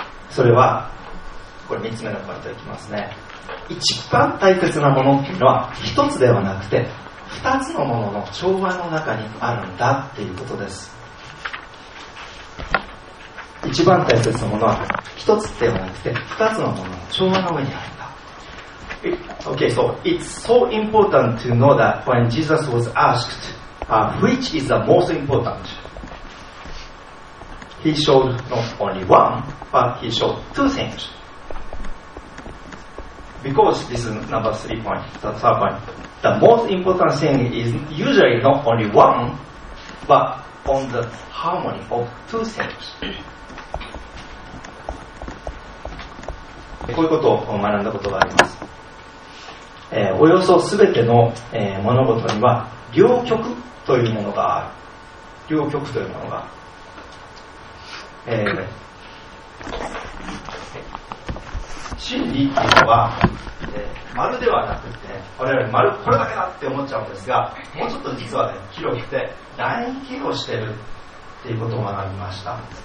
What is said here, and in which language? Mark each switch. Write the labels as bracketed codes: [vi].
[ja] それはこれ三つ目のポイントいきますね。一番大切なものっていうのは一つではなくて二つのものの調和の中にあるんだっていうことです。一番大切なものは一つではなくて二つのものの調和の上にあるんだ。 [en] Okay, so it's so important to know that when Jesus was asked、which is the most important, he showed not only one, but he showed two things. Because this is number three point, the third point. The most important thing is usually not only one, but on the harmony of two things. [ja] こういうことを学んだことがあります、およそ全ての、物事には両極というものがある。両極というものが、真理というのは、丸ではなくて我々丸これだけだって思っちゃうんですが、もうちょっと実は、ね、広くて乱域をしているということを学びました。